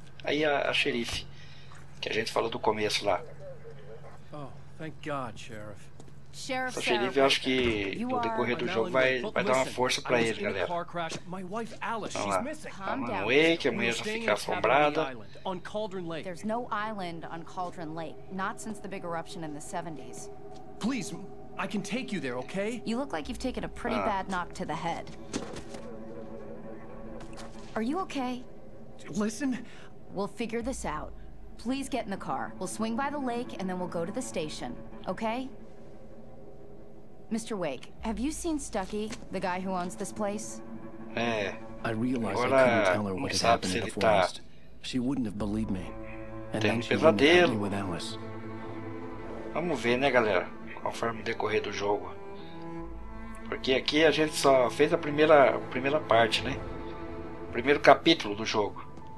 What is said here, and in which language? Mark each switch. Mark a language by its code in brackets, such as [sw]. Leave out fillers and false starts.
[pt] Aí a xerife, que a gente falou do começo lá. [en] Oh, thank God, Sheriff. [pt] Essa xerife, eu acho que no decorrer do jogo vai dar uma força pra ele, galera. Vamos lá. Calma, não é que a mulher vai ficar assombrada. [en] There's no island on Cauldron Lake, not since the big eruption in the 70s. Please, I can take you there, okay? You look like you've taken a pretty bad knock to the head. Are you okay? Listen. We'll figure this out. Please get in the car. We'll swing by the lake and then we'll go to the station. Okay? Mr. Wake, have you seen Stucky, the guy who owns this place? I realized I couldn't tell her what had happened in the forest. She wouldn't have believed me. And then she wouldn't have been with Alice. [pt] Vamos ver, né, galera? Conforme o decorrer do jogo. Porque aqui a gente só fez a primeira parte, né? O primeiro capítulo do jogo.